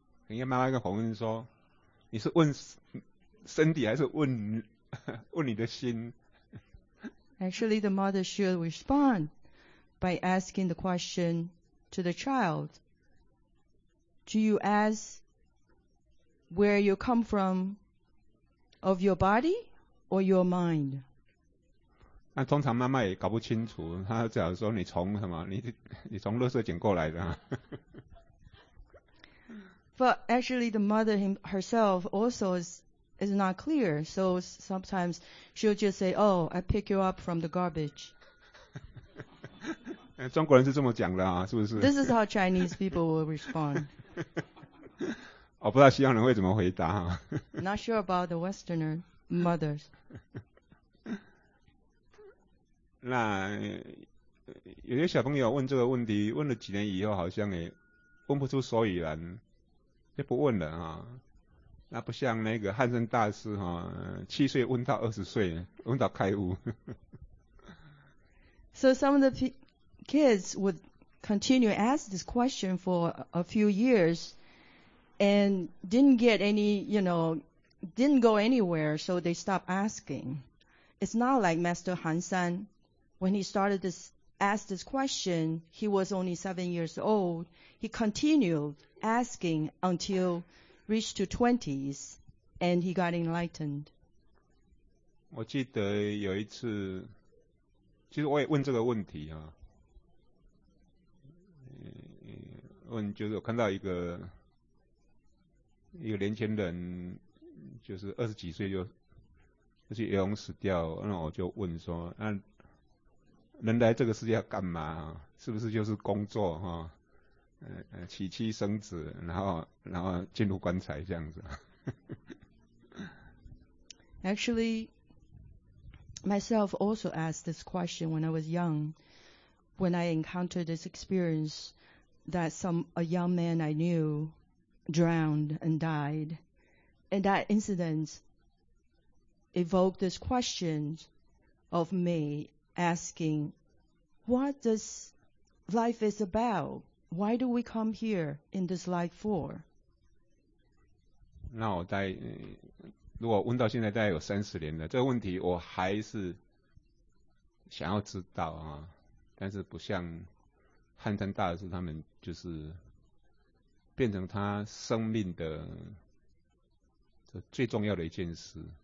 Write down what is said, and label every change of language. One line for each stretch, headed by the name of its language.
Chinese: 应该妈妈跟洪恩说，你是问身体还是问问你的心
English: ？Actually, the mother should respond by asking the question to the child. Do you ask where you come from, of your body or your mind?
Chinese: 那通常妈妈也搞不清楚，她只要说你从什么，你从垃圾捡过来的、啊。
English: But actually, the mother herself also is not clear. So sometimes she'll just say, oh, I pick you up from the garbage.
Chinese: 中国人是这么讲的啊，是不是？
English: This is how Chinese people will respond.
Chinese: 我不知道西方人会怎么回答啊。
English: Not sure about the Westerner mothers.
Chinese: 那有些小朋友问这个问题，问了几年以后，好像也问不出所以然。就不问了哈，那不像那个汉僧大师哈，七岁问到二十岁，问到开悟。
English: So some of the kids would continue ask this question for a few years, and didn't get any, you know, didn't go anywhere, so they stopped asking. It's not like Master Hansan, when he started this asked this question, he was only 7 years old. He continued. Asking until reached to 20s and he got enlightened.
Chinese: 我记得有一次，其实我也问这个问题啊，问就是我看到一个年轻人，就是二十几岁就去游泳死掉，那我就问说，那人来这个世界要干嘛啊？是不是就是工作啊？娶妻生子，然后进入棺材这样子。
English: Actually, myself also asked this question when I was young. When I encountered this experience that a young man I knew drowned and died, and that incident evoked this question of me asking, "What does life is about?" Why do we come here in this life for?
Chinese: 那我大概，如果问到现在大概有三十年了，这个问题我还是想要知道啊，但是不像汉僧大师他们，就是变成他生命的最重要的一件事。